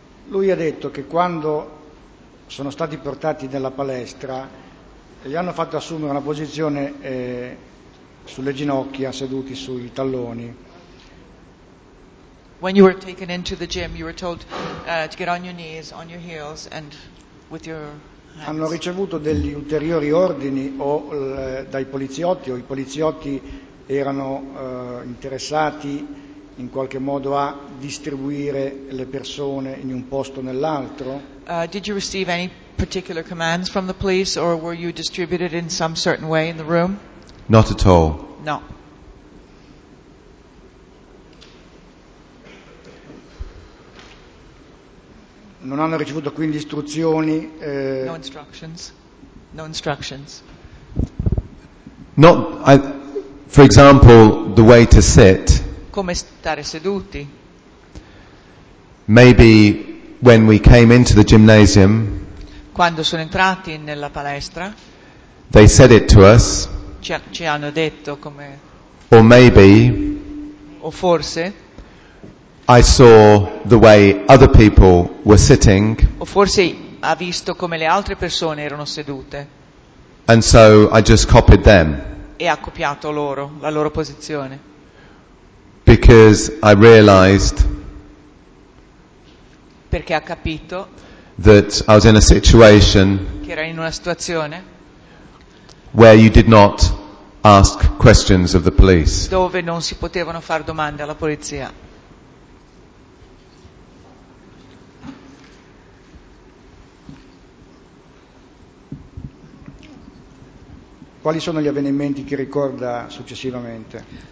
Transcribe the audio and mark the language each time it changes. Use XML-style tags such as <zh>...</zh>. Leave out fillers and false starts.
<it>Lui ha detto che quando sono stati portati nella palestra, gli hanno fatto assumere una posizione sulle ginocchia, seduti sui talloni.</it> <en>When you were taken into the gym, you were told to get on your knees, on your heels, and with your hands.</en> <it>Hanno ricevuto degli ulteriori ordini o dai poliziotti, o i poliziotti erano interessati in qualche modo a distribuire le persone in un posto o nell'altro?</it> <en>Did you receive any particular commands from the police, or were you distributed in some certain way in the room? Not at all.</en> <it>No. Non hanno ricevuto quindi istruzioni.</it> <en>No instructions. Not, for example, the way to sit.</en> <it>Come stare seduti.</it> <en>Maybe when we came into the gymnasium.</en> <it>Quando sono entrati nella palestra.</it> <en>They said it to us.</en> <it>Ci hanno detto come.</it> <en>Or maybe.</en> <it>O forse.</it> <en>I saw the way other people were sitting.</en> <it>O forse ha visto come le altre persone erano sedute.</it> <en>And so I just copied them.</en> <it>E ha copiato loro, la loro posizione.</it> <en>Because I realized.</en> <it>Perché ha capito.</it> <en>That I was in a situation.</en> <it>Che era in una situazione.</it> <en>Where you did not ask questions of the police.</en> <it>Dove non si potevano fare domande alla polizia. Quali sono gli avvenimenti che ricorda successivamente?</it>